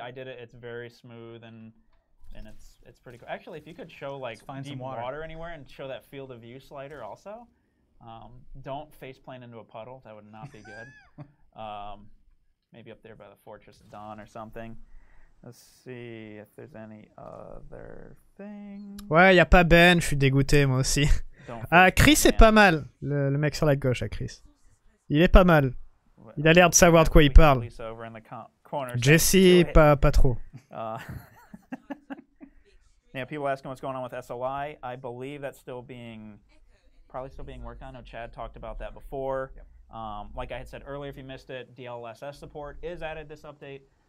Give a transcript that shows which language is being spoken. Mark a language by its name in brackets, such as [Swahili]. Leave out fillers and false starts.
[English] I did it; it's very smooth and it's pretty cool. Actually, if you could show like deep water anywhere and show that field of view slider also, don't face plant into a puddle. That would not be good. maybe up there by the Fortress of Dawn or something. Let's see if there's any other. [French] Ouais, y a pas Ben, je suis dégoûté moi aussi. Ah, Chris est pas mal, le mec sur la gauche, à Chris. Il est pas mal. Il a l'air de savoir de quoi il parle. Jesse, pas trop. [English] Now people asking what's going on with SOI. I believe that's probably still being worked on. I know Chad talked about that before. Like I had said earlier, if you missed it, DLSS support is added this update.